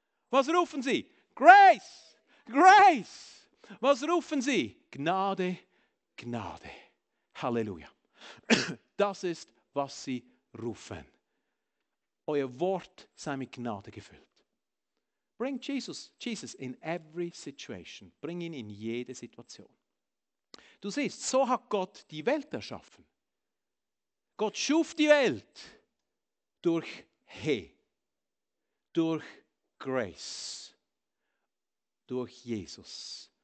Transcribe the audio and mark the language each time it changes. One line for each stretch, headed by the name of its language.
German: Was rufen sie? Grace! Grace! Was rufen sie? Gnade, Gnade. Halleluja. Das ist, was sie rufen. Euer Wort sei mit Gnade gefüllt.
English: Bring Jesus in every situation.
German: Bring ihn in jede Situation. Du siehst, so hat Gott die Welt erschaffen. Gott schuf die Welt durch He, durch Grace, durch Jesus.